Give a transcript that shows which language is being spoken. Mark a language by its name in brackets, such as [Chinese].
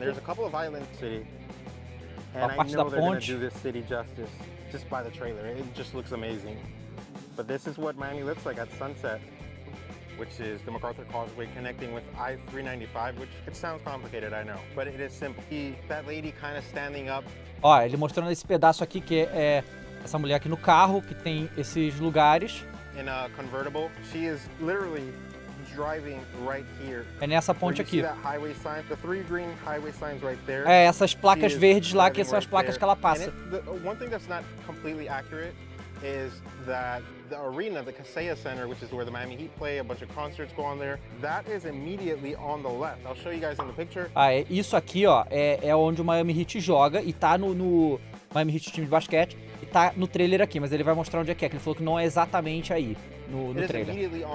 [English] There's a couple of islands city. [Portuguese] And a parte [English] I know they're going to do this city justice. Just by the trailer, it just looks amazing. But this is what Miami looks like at sunset, which is the MacArthur Causeway connecting with I-395, which it sounds complicated, I know, but it is simple. That lady kind of standing up. [Portuguese] Ó, ele mostrando esse pedaço aqui que é essa mulher aqui no carro que tem esses lugares. [English] In a convertible, she is literally driving right here. [Portuguese] É nessa ponte aqui. [English] See that highway sign, the three green highway signs right there. [Portuguese] É essas placas verdes lá que são as placas que ela passa. [English] One thing that's not completely accurate is that the arena, the Kaseya Center, which is where the Miami Heat play, a bunch of concerts go on there. That is immediately on the left. I'll show you guys in the picture. [Portuguese] Ah, isso aqui, ó, é onde o Miami Heat joga e tá no Miami Heat, time de basquete, e tá no trailer aqui, mas ele vai mostrar onde é que é, que ele falou que não é exatamente aí. No trailer.